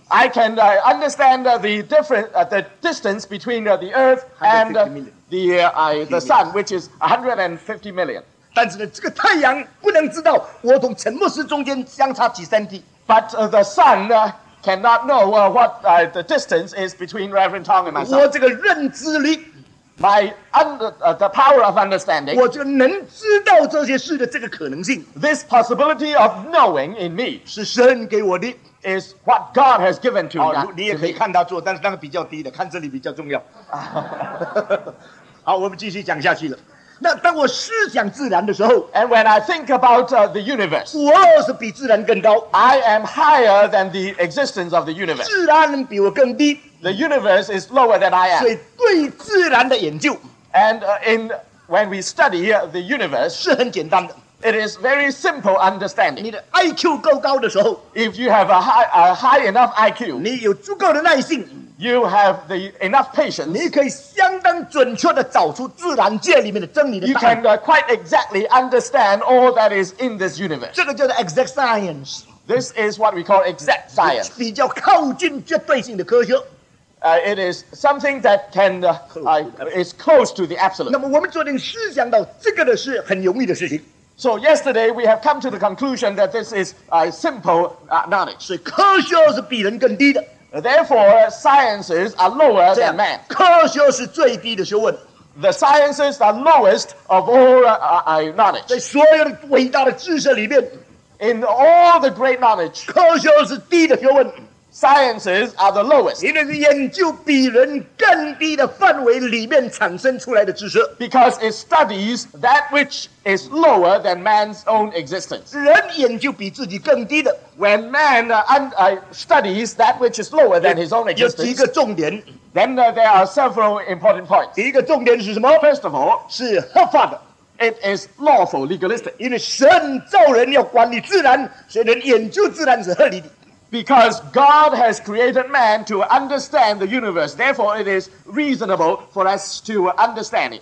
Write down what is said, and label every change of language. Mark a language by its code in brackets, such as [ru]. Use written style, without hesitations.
[en] I can understand the distance between the Earth and the Sun, which is 150 million. [zh] 但是呢，这个太阳不能知道我从陈牧师中间相差几cm. [en] But the Sun cannot know what the distance is between Reverend Tong and myself. [zh] 我这个认知力, [en] by the power of understanding, [zh] 我就能知道这些事的这个可能性, [en] this possibility of knowing in me [zh] 是神给我的, [en] is what God has given to me. [zh] 你也可以看他做，但是那个比较低的，看这里比较重要。好，我们继续讲下去了。那当我思想自然的时候 [en] ，And when I think about the universe， [zh] 我是比自然更高。 [en] I am higher than the existence of the universe。 [zh] 自然比我更低。 [en] The universe is lower than I am。 [zh] 所以对自然的研究 [en] ，And in when we study the universe， [zh] 是很简单的。 [en] It is very simple understanding. [zh] 你的 IQ 够高的时候 [en] ，If you have a high enough IQ， [zh] 你有足够的耐性 [en] ，You have the enough patience， [zh] 你可以相当准确的找出自然界里面的真理的答案。 [en] You can quite exactly understand all that is in this universe. [zh] 这个叫做 exact science. [en] This is what we call exact science. [zh] 比较靠近绝对性的科学。 [en] It is something that can is close to the absolute. [zh] 那么我们昨天思想到这个的是很容易的事情。 [en] So yesterday we have come to the conclusion that this is a simple knowledge. [zh] 所以科学是比人更低的。 [en] Therefore, sciences are lower than man. [zh] 科学是最低的学问。 [en] The sciences are lowest of all knowledge. [zh] 在所有的伟大的知识里面 [en] ，in all the great knowledge, [zh] 科学是低的学问。 [en] Sciences are the lowest. [zh] 因为是研究比人更低的范围里面产生出来的知识。 [en] Because it studies that which is lower than man's own existence. [zh] 人研究比自己更低的。 [en] When man studies that which is lower than his own existence. [zh] 有几个重点。 [en] Then there are several important points. [zh] 第一个重点是什么 [en] ？First of all, [zh] 是合法的。 [en] It is lawful, legalistic. [zh] 因为神造人要管理自然，所以人研究自然是合理的。 [en] Because God has created man to understand the universe, therefore it is reasonable for us to understand it.